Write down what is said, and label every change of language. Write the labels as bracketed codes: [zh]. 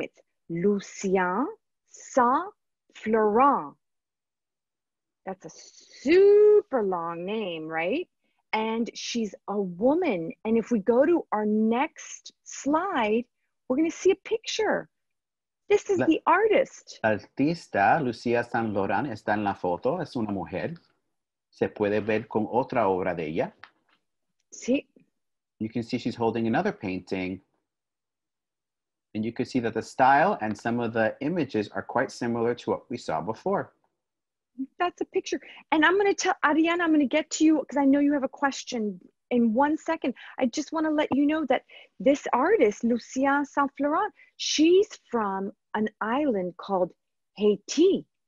[en] It's Lucien Saint-Florent. That's a super long name, right? And she's a woman. And if we go to our next slide, we're going to see a picture. This is the artist. [es] Artista Lucía San Lorán está en la foto. Es una mujer. Se puede ver con otra obra de ella. Sí. [en] You can see she's holding another painting. And you can see that the style and some of the images are quite similar to what we saw before. That's a picture. And I'm going to tell Ariana, I'm going to get to you because I know you have a question in 1 second. I just want to let you know that this artist, Lucien Saint-Florent, she's from an island called Haiti.